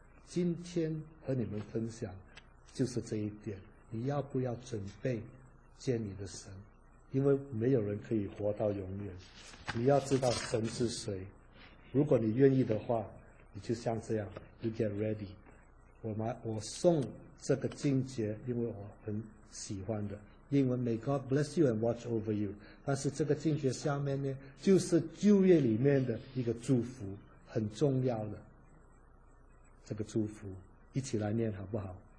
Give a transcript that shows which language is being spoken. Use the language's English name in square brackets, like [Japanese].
[Chinese] 今天和你们分享就是这一点，你要不要准备见你的神？因为没有人可以活到永远，你要知道神是谁。如果你愿意的话，你就像这样 [English] you get ready。 [Chinese] 我送这个经节，因为我很喜欢的英文 [English] May God bless you and watch over you。 [Chinese] 但是这个经节下面呢，就是旧约里面的一个祝福，很重要的这个祝福，一起来念好不好？